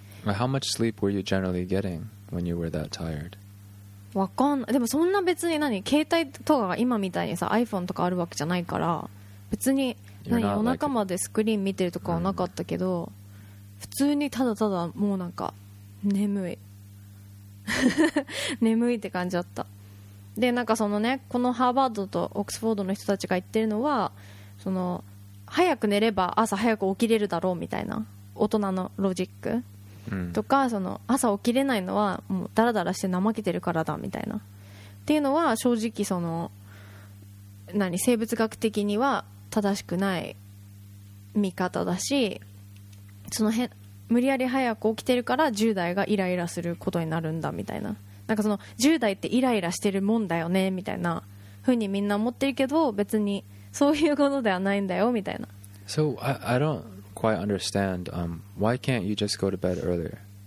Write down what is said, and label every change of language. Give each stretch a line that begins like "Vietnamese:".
English: How much sleep were you generally getting when you were that tired?
Japanese: わかんない。でもそんな別に何携帯とか今みたいにさ
English: iPhone
Japanese: とかあるわけじゃないから別に何お腹までスクリーン見てるとかはなかったけど、うん、普通にただただもうなんか眠い眠いって感じだった。でなんかそのねこのハーバードとオックスフォードの人たちが言ってるのはその早く寝れば朝早く起きれるだろうみたいな大人のロジック、うん、とかその朝起きれないのはもうダラダラして怠けてるからだみたいなっていうのは正直その何生物学的には正しくない見方だし、その辺無理やり早く起きてるから10代がイライラすることになるんだみたいな、なんかその10代ってイライラしてるもんだよねみたいな風にみんな思ってるけど別にそういうことではないんだよみたいな。
English: So I don't quite understand why can't you just go to bed earlier?